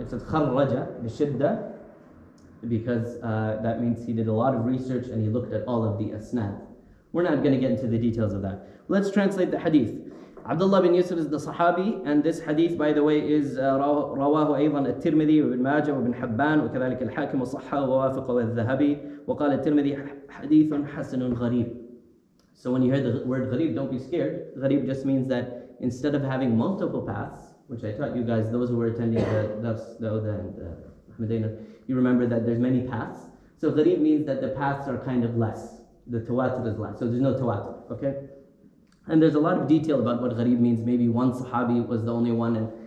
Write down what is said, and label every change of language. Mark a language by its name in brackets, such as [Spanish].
[English] It said [Arabic] خرج بشدة, [English] because that means he did a lot of research and he looked at all of the asnad. We're not going to get into the details of that. Let's translate the hadith. Abdullah bin Yusuf is the Sahabi, and this hadith, by the way, is [Arabic] رواه أيضا الترمذي وابن ماجه وابن حبان وكذلك الحاكم وصححه ووافقه والذهبي وقال الترمذي حديث حسن غريب. [English] So when you hear the word غريب, don't be scared. غريب just means that instead of having multiple paths, which I taught you guys, those who were attending the Ahmadiyya, you remember that there's many paths. So غريب means that the paths are kind of less. The tawatir is less. So there's no tawatir, okay? And there's a lot of detail about what gharib means. Maybe one sahabi was the only one, and